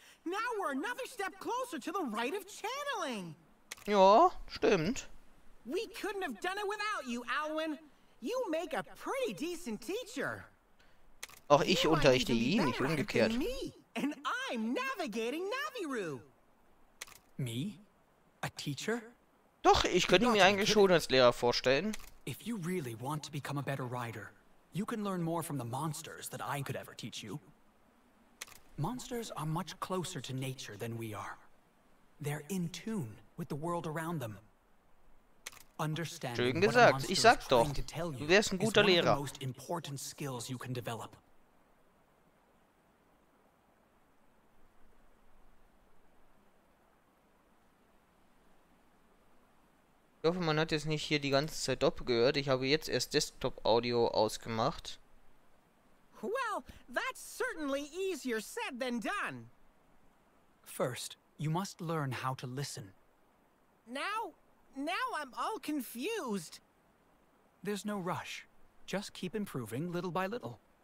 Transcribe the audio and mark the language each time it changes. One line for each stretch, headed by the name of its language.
English: Now we're another step closer to the rite of channeling.
German: Ja, stimmt.
English: We couldn't have done it without you, Alwyn. You make a pretty decent teacher.
German: Auch ich unterrichte ihn, nicht umgekehrt.
English: And I'm navigating Naviru. Me? A teacher?
German: Doch, ich könnte mir eigentlich schon als Lehrer vorstellen.
English: If you really want to become a better rider, you can learn more from the monsters than I could ever teach you. Monsters are much closer to nature than we are. They're in tune with the world around them.
German: Schön gesagt. Ich sag doch, du wärst ein guter Lehrer.
English: Is one of the most important skills you can develop.
German: Ich hoffe, man hat jetzt nicht hier die ganze Zeit Dopp gehört. Ich habe jetzt erst Desktop-Audio ausgemacht.
English: Well, that's certainly easier said than done. First, you must learn how to listen. Now I'm all confused. There's no rush. Just keep improving little by little.